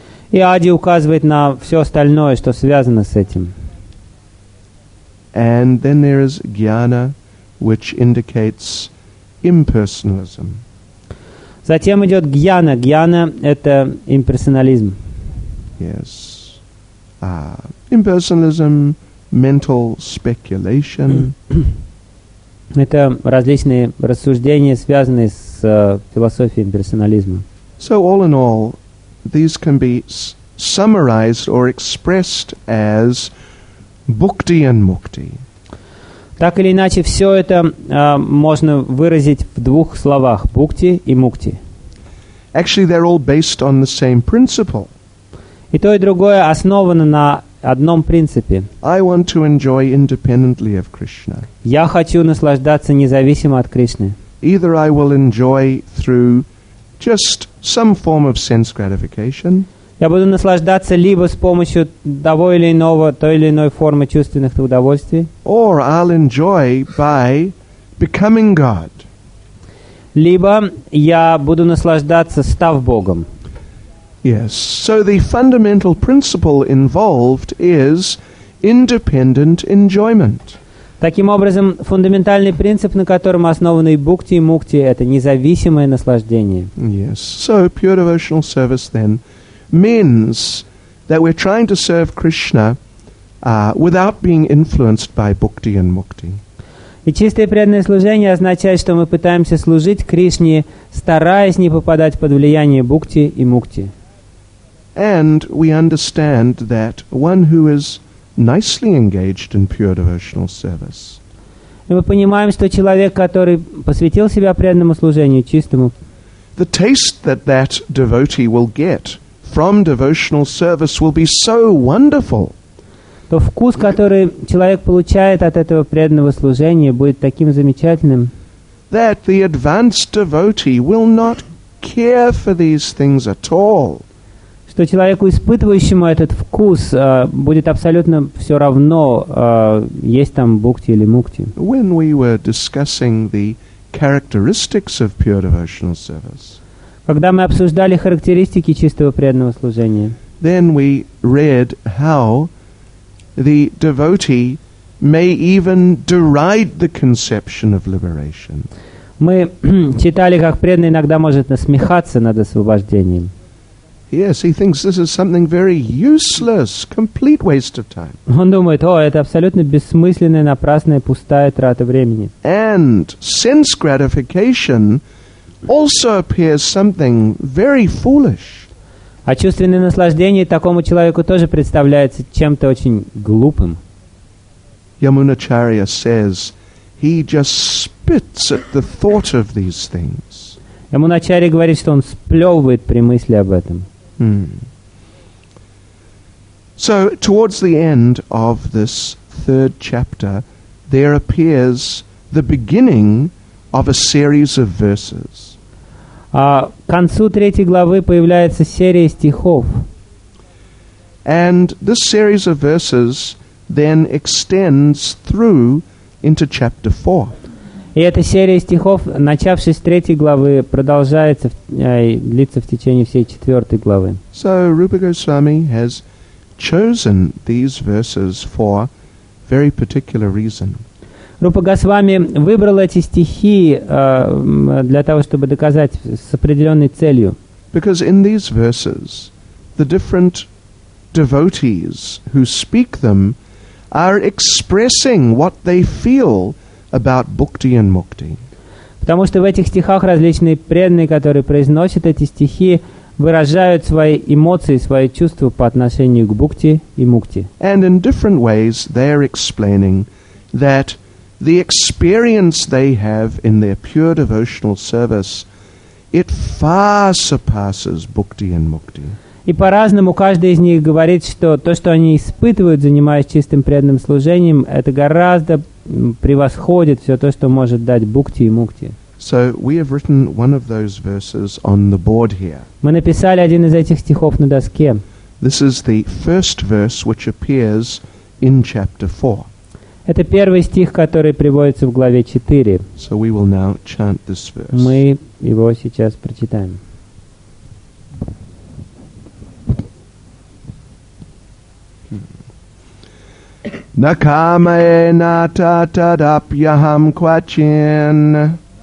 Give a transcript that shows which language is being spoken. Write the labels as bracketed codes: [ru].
[ru] И ади указывает на все остальное, что связано с этим. [en] And then there is jnana, which indicates impersonalism. [ru] Затем идет гьяна. Гьяна – это имперсонализм. [en] Yes. Impersonalism, mental speculation. [ru] Это различные рассуждения, связанные с философией имперсонализма. [en] So all in all, these can be summarized or expressed as bhakti and mukti. [ru] Так или иначе, все это можно выразить в двух словах – бхакти и мукти. [en] Actually, they're all based on the same principle. [ru] И то, и другое основано на одном принципе. [en] I want to enjoy independently of Krishna. [ru] Я хочу наслаждаться независимо от Кришны. [en] Either I will enjoy through just some form of sense gratification. [ru] Я буду наслаждаться либо с помощью того или иного, той или иной формы чувственных удовольствий. [en] Or I'll enjoy by becoming God. [ru] Либо я буду наслаждаться, став Богом. [en] Yes. So the fundamental principle involved is independent enjoyment. [ru] Таким образом, фундаментальный принцип, на котором основаны и бхакти, и мукти, это независимое наслаждение. [en] Yes. So pure devotional service then means that we're trying to serve Krishna without being influenced by bhakti and mukti. [ru] И чистое преданное служение означает, что мы пытаемся служить Кришне, стараясь не попадать под влияние бхакти и мукти. [en] And we understand that one who is nicely engaged in pure devotional service. [ru] И мы понимаем, что человек, который посвятил себя преданному служению, чистому, [en] the taste that that devotee will get from devotional service will be so wonderful. [ru] То вкус, который человек получает от этого преданного служения, будет таким замечательным, [en] that the advanced devotee will not care for these things at all. [ru] Что человеку, испытывающему этот вкус, будет абсолютно все равно, есть там бхукти или мукти. [en] When we were discussing the characteristics of pure devotional service, [ru] когда мы обсуждали характеристики чистого преданного служения, [en] then we read how the devotee may even deride the conception of liberation. [ru] Мы читали, как преданный иногда может насмехаться над освобождением. [en] Yes, he thinks this is something very useless, complete waste of time. [ru] Он думает, о, это абсолютно бессмысленная, напрасная, пустая трата времени. [en] And sense gratification also appears something very foolish. [ru] А чувственное наслаждение такому человеку тоже представляется чем-то очень глупым. [en] Yamunacharya says he just spits at the thought of these things. [ru] Yamunacharya говорит, что он сплевывает при мысли об этом. [en] So, towards the end of this third chapter, there appears the beginning of a series of verses. [ru] К концу третьей главы появляется серия стихов. [en] And this series of verses then extends through into chapter 4. [ru] И эта серия стихов, начавшись с третьей главы, продолжается, длится в течение всей четвертой главы. [en] So Rupa Goswami has chosen these verses for very particular reason. [ru] Рупа Госвами выбрал эти стихи для того, чтобы доказать с определенной целью. [en] Because in these verses, the different devotees who speak them are expressing what they feel about bhakti and mukti. [ru] Потому что в этих стихах различные преданные, которые произносят эти стихи, выражают свои эмоции, свои чувства по отношению к бхакти и мукти. [en] And in different ways they are explaining that the experience they have in their pure devotional service, it far surpasses bhakti and mukti. [ru] И по-разному каждый из них говорит, что то, что они испытывают, занимаясь чистым преданным служением, это гораздо превосходит все то, что может дать бхукти и мукти. [en] So we have written one of those verses on the board here. [ru] Мы написали один из этих стихов на доске. [en] This is the first verse which appears in chapter 4. [ru] Это первый стих, который приводится в главе 4. [en] So we will now chant this verse. [ru] Мы его сейчас прочитаем. [sa] Na kamae na ta ta dapyaham kwachin.